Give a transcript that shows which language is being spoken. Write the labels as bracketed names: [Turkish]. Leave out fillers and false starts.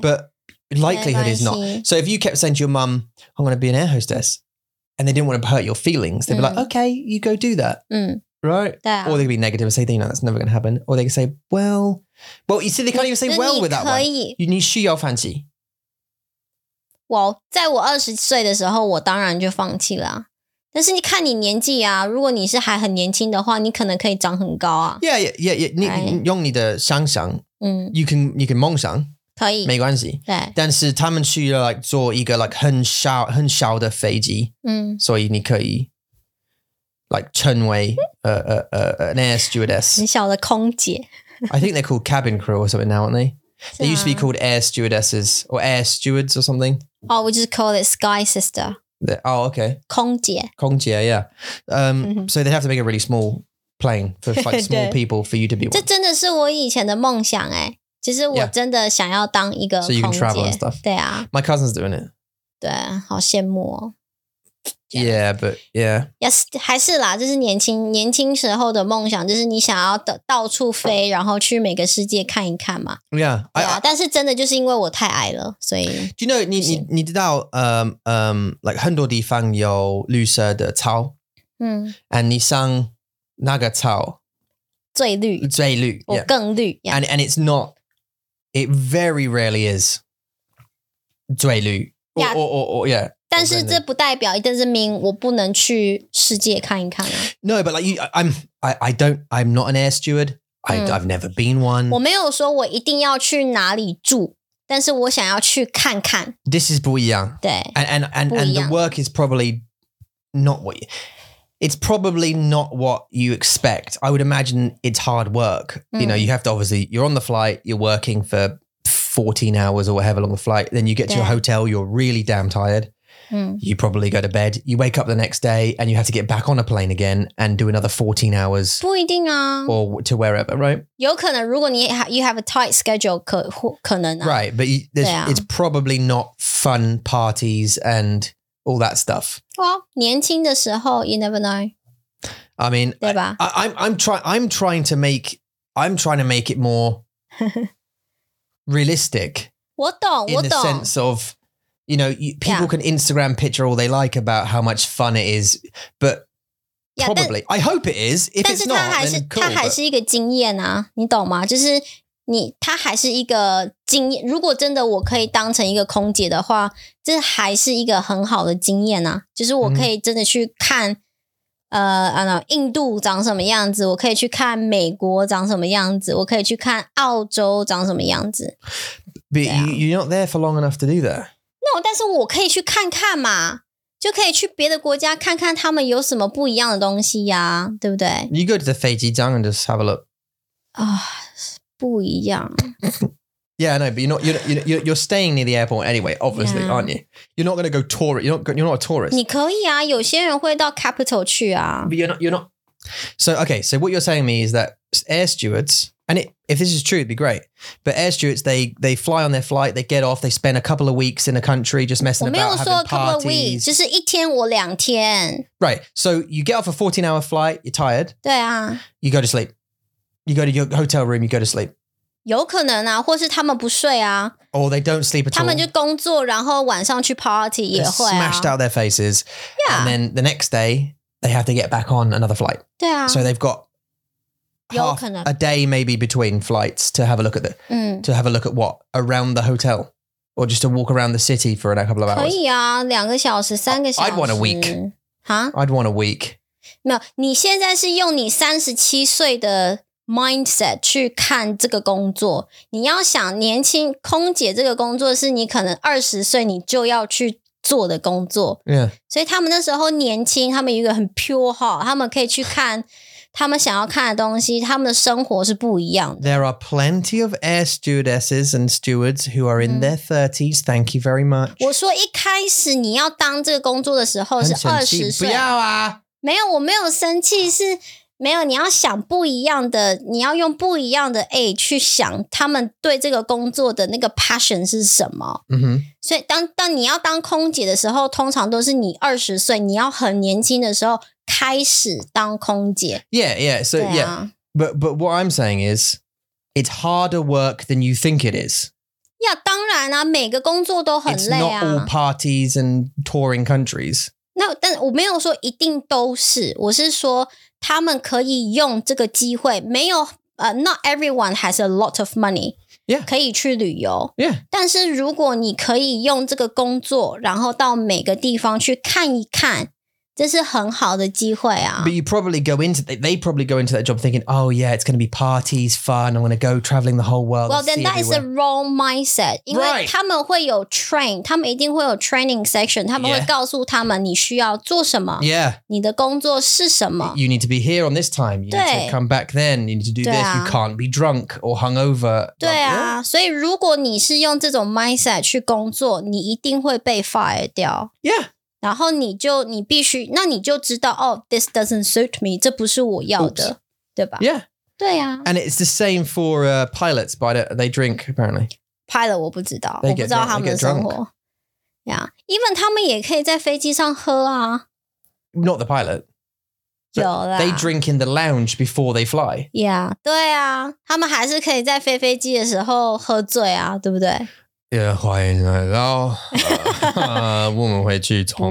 [English] But likelihood is not So if you kept saying to your mum I'm going to be an air hostess And they didn't want to hurt your feelings They'd be like Okay, you go do that Right [Chinese] 对啊 [English] Or they'd be negative And say, you know, that's never going to happen Or they could say, well, you see, they can't even say well with that one You need [Chinese] 需要放弃 Well, 在我二十岁的时候，我当然就放弃了。但是你看你年纪啊，如果你是还很年轻的话，你可能可以长很高啊。 Yeah. 你、 [English] right? [Chinese] 用你的想象， [English] you can [Chinese] 梦想，可以，没关系。对。但是他们去了 like, 做一个 like, 很小的飞机，所以你可以 like, [English] 成为an air stewardess， [Chinese] 很小的空姐。 [English] I think they're called cabin crew or something now, aren't they? They used to be called air stewardesses or air stewards or something. Oh, we just call it sky sister. Okay. [Chinese] 空姐。空姐, yeah. [English] So they have to make a really small plane for like, small people for you to be one. [Chinese] 这真的是我以前的梦想诶。其实我真的想要当一个空姐。 [English] So you can travel and stuff. [Chinese] 对啊。 [English] My cousin's doing it. [Chinese] 对,好羡慕哦。 [English] Yeah, but yeah. [Chinese] Yes, 还是啦，这是年轻时候的梦想，就是你想要到处飞，然后去每个世界看一看嘛。 [English] Yeah, [Chinese] 对啊，但是真的就是因为我太矮了，所以。 [English] Do you know, [Chinese] 你知道like 很多地方有绿色的草，and 你上那个草，最绿，我更绿。Yeah. [English] And it's not, it very rarely is 最绿 yeah. Or yeah. [Chinese] 但是这不代表 [English] it doesn't mean [Chinese] 我不能去世界看一看、啊、 [English] No, but like you, I'm not an air steward. I've never been one. [Chinese] 我没有说我一定要去哪里住，但是我想要去看看。 [English] This is [Chinese] 不一样。对。 [English] And the work is probably not what you, it's probably not what you expect. I would imagine it's hard work. You know, you have to obviously, you're on the flight, you're working for 14 hours or whatever long the flight. Then you get to your hotel, you're really damn tired. You probably go to bed, you wake up the next day and you have to get back on a plane again and do another 14 hours. [Chinese] 不一定啊。 [English] Or to wherever, right? [Chinese] 有可能如果你 [English] you have a tight schedule, [Chinese] 可能啊。 [English] Right, but it's probably not fun parties and all that stuff. Well, [Chinese] 年轻的时候 [English] you never know. I mean, [Chinese] 对吧? [English] I'm trying to make it more realistic. [Chinese] 我懂,我懂。 [English] In the sense of... You know, people can Instagram picture all they like about how much fun it is, but probably, I hope it is. If it's not, then cool. [Chinese] 它还是一个经验啊，你懂吗？就是你，它还是一个经验。如果真的我可以当成一个空姐的话，这还是一个很好的经验啊。就是我可以真的去看， [English] I don't know, [Chinese] 印度长什么样子，我可以去看美国长什么样子，我可以去看澳洲长什么样子。 [English] But you're not there for long enough to do that. [Chinese] No, 但是我可以去看看嘛，就可以去别的国家看看他们有什么不一样的东西呀，对不对？ [English] You go to the [Chinese] 飞机站 [English] and just have a look. [Chinese] Ah, 不一样。 [English] Yeah, I know, but you're staying near the airport anyway, obviously, aren't you? You're not going to go tour it. You're not a tourist. [Chinese] 你可以啊，有些人会到 capital 去啊。 [English] But you're not. So, okay, so what you're saying to me is that air stewards... And if this is true, it'd be great. But air stewards, they fly on their flight, they get off, they spend a couple of weeks in a country just messing about, having parties. [Chinese] 我没有说 [English] a couple of weeks, [Chinese] 就是一天或两天。 [English] Right, so you get off a 14-hour flight, you're tired. [Chinese] 对啊。 [English] You go to sleep. You go to your hotel room, you go to sleep. [Chinese] 有可能啊，或是他们不睡啊。 [English] Or they don't sleep at all. [Chinese] 他们就工作，然后晚上去 party 也会啊。 [English] They're smashed out their faces. Yeah. And then the next day, they have to get back on another flight. [Chinese] 对啊。 [English] So they've got half a day maybe between flights to have a look at what? Around the hotel. Or just to walk around the city for a couple of hours. [Chinese] 可以啊，两个小时，三个小时。 [English] I'd want a week. Huh? I'd want a week. [Chinese] 没有，你现在是用你37岁的mindset 去看这个工作，你要想年轻空姐这个工作是你可能20岁你就要去做的工作。 [English] Yeah. [Chinese] 所以他们那时候年轻，他们有一个很 [English] pure heart， [Chinese] 他们可以去看他们想要看的东西，他们的生活是不一样的。 [English] There are plenty of air stewardesses and stewards who are in their 30s. Thank you very much. [Chinese] 我说一开始你要当这个工作的时候是20岁。不要啊。没有，我没有生气，是没有，你要想不一样的，你要用不一样的 age 去想他们对这个工作的那个 passion 是什么。 Mm-hmm. 所以当你要当空姐的时候，通常都是你20岁，你要很年轻的时候开始当空姐。 [English] Yeah, yeah. So,、啊、 yeah. But what I'm saying is, it's harder work than you think it is. [Chinese] Yeah, 当然啊，每个工作都很累啊。 [English] It's not all parties and touring countries. [Chinese] No, 但我没有说一定都是，我是说他们可以用这个机会，没有 [English] not everyone has a lot of money. Yeah. [Chinese] 可以去旅游。 [English] Yeah. [Chinese] 但是如果你可以用这个工作，然后到每个地方去看一看，这是很好的机会啊。 [English] But you probably go into, they probably go into that job thinking, oh yeah, it's going to be parties, fun, I'm going to go traveling the whole world. Well, then that、 everywhere. Is a wrong mindset. [Chinese] 因为他们会有 train, 他们一定会有 [English] training section, [Chinese] 他们会告诉他们你需要做什么。 [English] Yeah. [Chinese] 你的工作是什么。 [English] You need to be here on this time. You need to come back then. You need to do this. You can't be drunk or hungover. [Chinese] 对啊。所以如果你是用这种 mindset 去工作，你一定会被 fired 掉。 [English] Yeah. [Chinese] 然后你必须，那你就知道，哦， [English] this doesn't suit me， [Chinese] 这不是我要的，Oops. 对吧 [English] ？Yeah， [Chinese] 对啊。 [English] And it's the same for pilots, but they drink apparently. [Chinese] Pilot 我不知道，我不知道他们的生活。Yeah， [English] even [Chinese] 他们也可以在飞机上喝啊。 [English] Not the pilot. But、 they drink in the lounge before they fly. Yeah, [Chinese] 对啊，他们还是可以在飞飞机的时候喝醉啊，对不对？也欢迎来到我们会去从